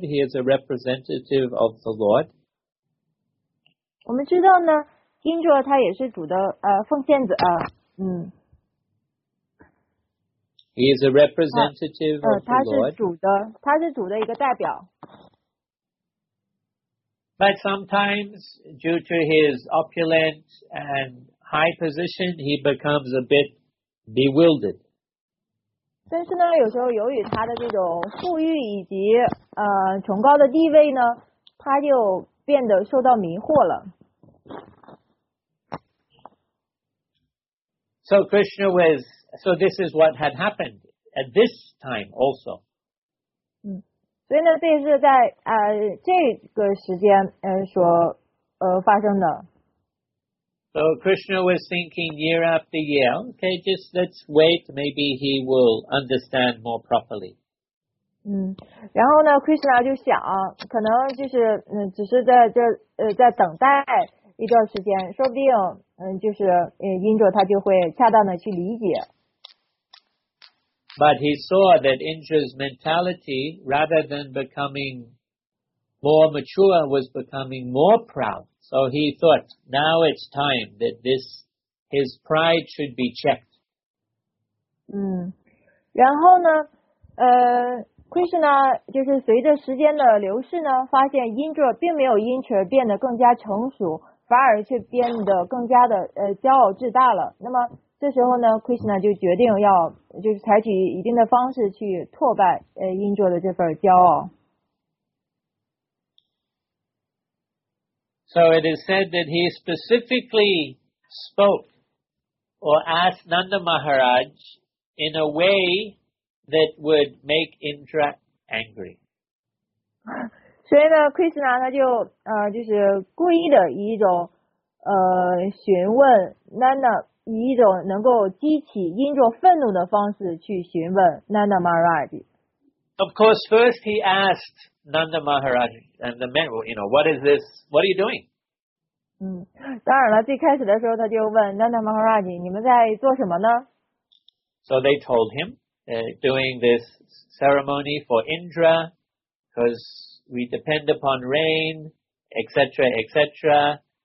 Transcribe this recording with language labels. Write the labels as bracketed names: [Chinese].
[English] He is a representative of the Lord. [Chinese] 我们知道呢 ，Indra 他也是主的奉献者。 [English] He is a representative of the Lord. [Chinese] 他是主的一个代表。 [English] But sometimes, due to his opulent and high position, he becomes a bit bewildered. [Chinese] 但是呢，有时候由于他的这种富裕以及崇高的地位呢，他就变得受到迷惑了。 [English] So Krishna was, so this is what had happened at this time also. [Chinese] 所以呢，这是在这个时间所发生的。 [English] So Krishna was thinking year after year, okay, just let's wait, maybe he will understand more properly. [Chinese] 然后呢 ，Krishna 就想，可能就是只是在这在等待一段时间，说不定就是Indra 他就会恰当的去理解。 [English] But he saw that Indra's mentality, rather than becoming more mature, was becoming more proud. So he thought, now it's time that his pride should be checked. [Chinese] 然后呢，Krishna 就是随着时间的流逝呢，发现 Indra 并没有因此变得更加成熟，反而却变得更加的骄傲自大了。那么这时候呢 ，Krishna 就决定要就是采取一定的方式去挫败Indra的这份骄傲。 [English] So it is said that he specifically spoke or asked Nanda Maharaj in a way that would make Indra angry. [Chinese] 所以呢 ，Krishna 他就就是故意的以一种询问 Nanda。以一种能够激起因着愤怒的方式去询问 Nanda Maharaj. [English] Of course, first he asked Nanda Maharaj and the men, you know, what is this? What are you doing? [Chinese] 当然了，最开始的时候他就问 Nanda Maharaj, 你们在做什么呢？ [English] So they told him, doing this ceremony for Indra, because we depend upon rain, etc., etc.